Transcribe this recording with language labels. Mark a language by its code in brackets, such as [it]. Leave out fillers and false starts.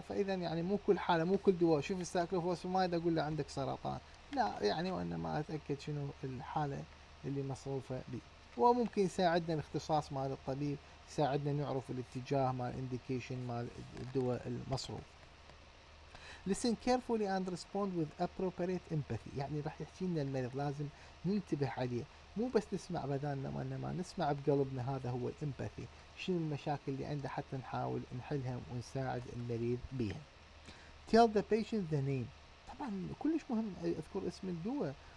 [ar] فإذا يعني مو كل حالة مو كل دواء شوف السايكلوفوسفامايد أقول له عندك سرطان، لا يعني وإنما أتأكد شنو الحالة اللي مصروفة بي. وممكن يساعدنا الاختصاص مال الطبيب، يساعدنا نعرف الاتجاه مال الانديكيشن مال الدواء المصروف. [en] Listen carefully and respond with appropriate empathy. [ar] يعني راح يحكي لنا المريض لازم ننتبه عليه، مو بس نسمع بدالنا وانما نسمع بقلبنا، هذا هو الامباثي، شنو المشاكل اللي عنده حتى نحاول نحلها ونساعد المريض بها. [en] Tell the patient the name. [ar] طبعا كلش مهم اذكر اسم الدواء.